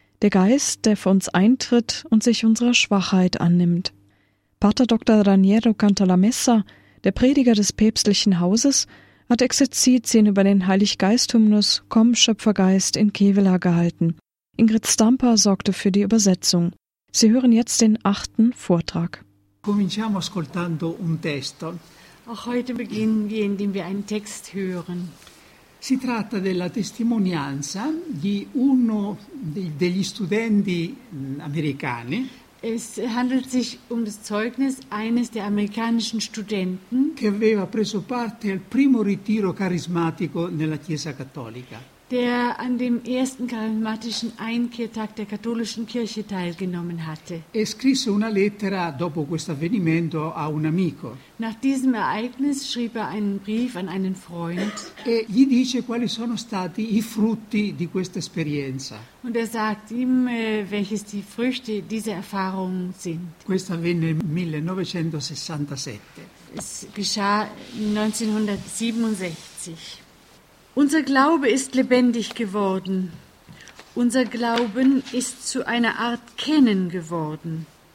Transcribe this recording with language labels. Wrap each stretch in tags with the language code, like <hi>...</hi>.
<de>Der Geist, der für uns eintritt und sich unserer Schwachheit annimmt. Pater Dr. Raniero Cantalamessa, der Prediger des päpstlichen Hauses, hat Exerzitien über den Heiliggeisthymnus Komm, Schöpfergeist in Kevela gehalten. Ingrid Stamper sorgte für die Übersetzung. Sie hören jetzt den 8. Vortrag.</de> <it>Cominciamo ascoltando un testo.</it> <de>Auch heute beginnen wir, indem wir einen Text hören.</de> <it>Si tratta della testimonianza di uno degli studenti americani.</it> <de>Es handelt sich um das Zeugnis eines der amerikanischen Studenten,</de> <it>che aveva preso parte al primo ritiro carismatico nella Chiesa Cattolica,</it> <de>der an dem ersten charismatischen Einkehrtag der katholischen Kirche teilgenommen hatte.</de> <it>E scrisse una lettera dopo questo avvenimento a un amico.</it> <de>Nach diesem Ereignis schrieb einen Brief an einen Freund.</de> <it>E gli dice quali sono stati i frutti di questa esperienza.</it> <de>Und sagt ihm, welches die Früchte dieser Erfahrung sind.</de> <it>Questo avvenne nel 1967.</it> <de>Es geschah 1967. Unser Glaube ist lebendig geworden. Unser Glauben ist zu einer Art Kennen geworden.</de>